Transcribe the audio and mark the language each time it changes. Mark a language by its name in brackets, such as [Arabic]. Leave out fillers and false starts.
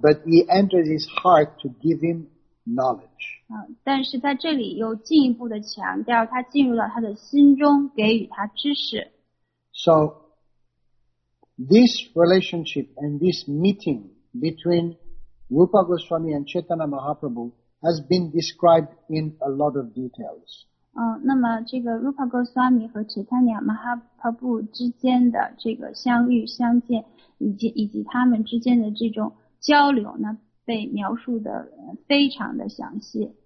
[English] But he entered his heart to give him knowledge. [Chinese] 但是在这里又进一步的强调，他进入了他的心中，给予他知识。 [English] So. This relationship and this meeting between Rupa Goswami and Chaitanya Mahaprabhu has been described in a lot of details. [Chinese] 那么这个 Rupa Goswami 和 Chaitanya Mahaprabhu 之间的这个相遇相见，以及他们之间的这种交流呢，被描述的非常的详细。